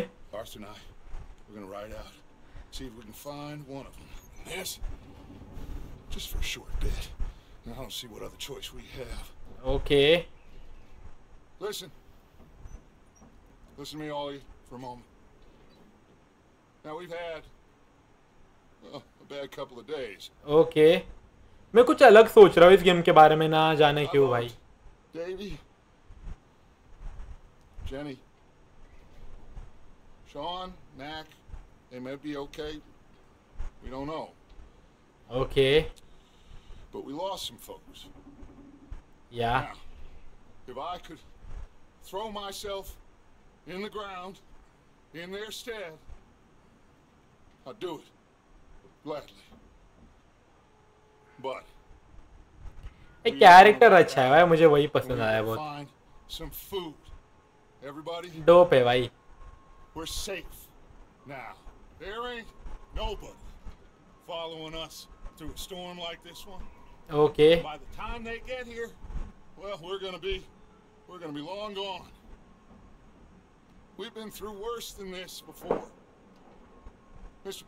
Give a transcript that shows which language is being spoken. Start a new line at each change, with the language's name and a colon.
English: Arthur and I, we're gonna ride out, see if we can find one of them. Yes. Just for a short bit. Now I don't see what other choice we have. Okay. Listen. Listen to me, Ollie, for a moment. Now we've had a bad couple of days. Okay.
Hindi: मैं कुछ अलग सोच रहा हूँ इस game के बारे में, ना जाने क्यों भाई।
English: Davy, Jenny, Sean, Mac, they may be okay. We don't know. Okay. But we lost some folks. Yeah. Now, if I could throw myself in the ground, in their stead, I'd do it gladly. But a character
Hindi: अच्छा है भाई, मुझे वही पसंद आया बहुत।
English: Find some food. Everybody, dope
Hindi: है भाई.
English: We're safe now. There ain't nobody following us through a storm like this one. Okay. And by the time they get here, well, we're gonna be long gone. We've been through worse than this before. Mr.